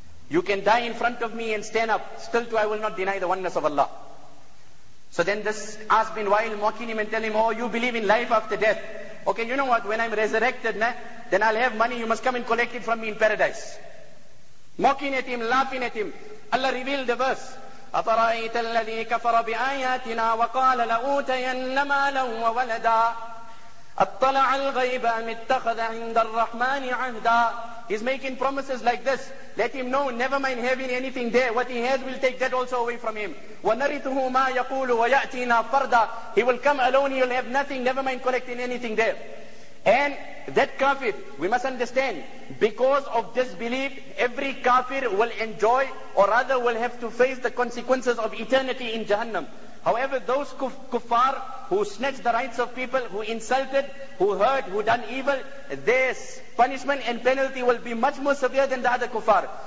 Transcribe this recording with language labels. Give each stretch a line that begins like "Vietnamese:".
English: You can die in front of me and stand up, still too I will not deny the oneness of Allah. So then this Ask bin Wail mocking him and tell him, oh, you believe in life after death. Okay, you know what, when I'm resurrected, then I'll have money, you must come and collect it from me in paradise. Mocking at him, laughing at him. Allah revealed the verse.
Arabic: أَفَرَأَيْتَ الَّذِي كَفَرَ بِآيَاتِنَا وَقَالَ لَأُوتَيَنَّ مَالًا وَوَلَدًا أطلع الغيب أم اتخذ عند الرحمن عهدا.
English: He's making promises like this. Let him know, never mind having anything there. What he has, will take that also away from him.
Arabic: ونرثه ما يقول ويأتينا فردا.
English: He will come alone, he'll have nothing, never mind collecting anything there. And that kafir, we must understand, because of disbelief, every kafir will enjoy, or rather will have to face the consequences of eternity in Jahannam. However, those kuffar who snatched the rights of people, who insulted, who hurt, who done evil, their punishment and penalty will be much more severe than the other kuffar.